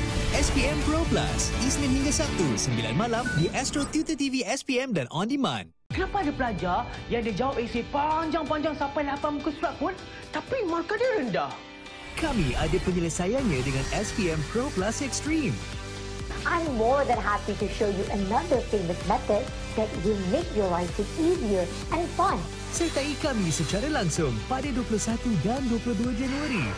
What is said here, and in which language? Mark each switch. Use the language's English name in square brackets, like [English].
[Malay] SPM Pro Plus, Isnin hingga Sabtu, 9 malam di Astro Tutor TV SPM dan On Demand. Kenapa ada pelajar yang dia jawab esei panjang-panjang sampai 8 muka surat pun tapi markah dia rendah? Kami ada penyelesaiannya dengan SPM Pro Plus Extreme. [English] I'm more than happy to show you another famous method that will make your writing easier and fun. [Malay] Sertai kami secara langsung pada 21 dan 22 Januari.